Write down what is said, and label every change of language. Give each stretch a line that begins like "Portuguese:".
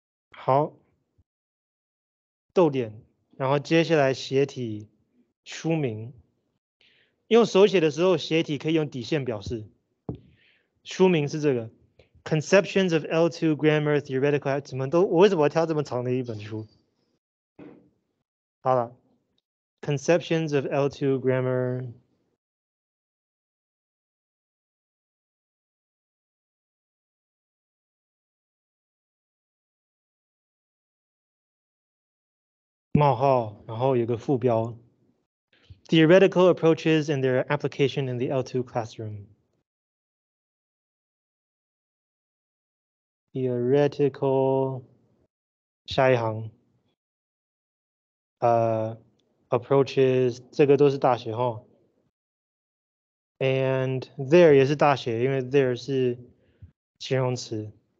Chinese: 好，逗点，然后接下来斜体书名，用手写的时候斜体可以用底线表示，书名是这个。
English: Conceptions of L2 Grammar Theoretical，
Chinese: 怎么都我为什么要挑这么长的一本书？好了
English: ，Conceptions of L2 Grammar，
Chinese: 冒号，然后有个副标
English: ，Theoretical approaches and their application in the L2 classroom。
Chinese: Theoretical， 下一行，approaches， 这个都是大写哈。
English: And there
Chinese: 也是大写，因为 there 是形容词。